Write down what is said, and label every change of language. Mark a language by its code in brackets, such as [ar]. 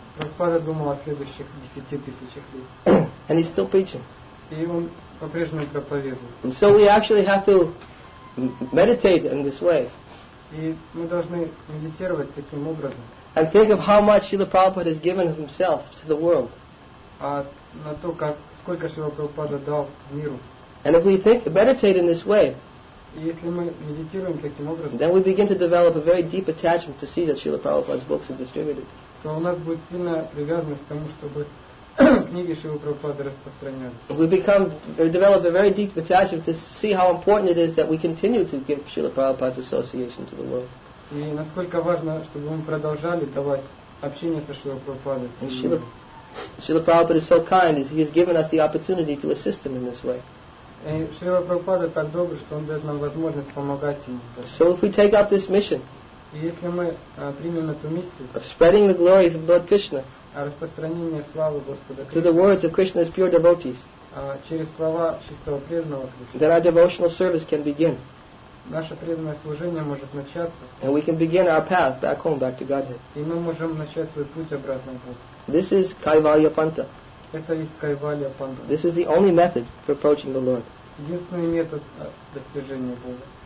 [ru] Прабхупада думал о следующих 10 тысячах лет. [en] And he's still preaching. [ru] И он по-прежнему проповедует. [en] And so we actually have to meditate in this way. [ru] И мы должны медитировать таким образом. [en] And think of how much Śrīla Prabhupāda has given of himself to the world. [ru] А на то, как сколько Śrīla Prabhupāda дал миру. [en] And if we think, meditate in this way, [ru] если мы медитируем таким образом, [en] then we begin to develop a very deep attachment to see that Śrīla Prabhupāda's books are distributed. [ru] То у нас будет сильная привязанность к тому, чтобы книги Śrīla Prabhupāda распространялись. [en] We become, we develop a very deep attachment to see how important it is that we continue to give Śrīla Prabhupāda's association to the world. [ru] И насколько важно, чтобы мы продолжали давать общение со Śrīla Prabhupādai. [en] Śrīla Prabhupāda is so kind, he has given us the opportunity to assist him in this way. [ru] И Śrīla Prabhupāda так добр, что он дает нам возможность помогать ему. [en] So if we take up this mission, [ru] и если мы примем эту миссию, [en] of spreading the glories of Lord Krishna, [ru] о распространении славы Господа [en] Кришны, to the words of Krishna's pure devotees, [ru] через слова чистого преданного Кришны, [en] then our devotional service can begin. [ru] Наше преданное служение может начаться. [en] And we can begin our path back home, back to Godhead. [ru] И мы можем начать свой путь обратно в Бога. [en] This is Kaivalya Panta. [ru] Это есть Кайвалья Панта. [en] This is the only method for approaching the Lord. [ru] Единственный метод достижения Бога.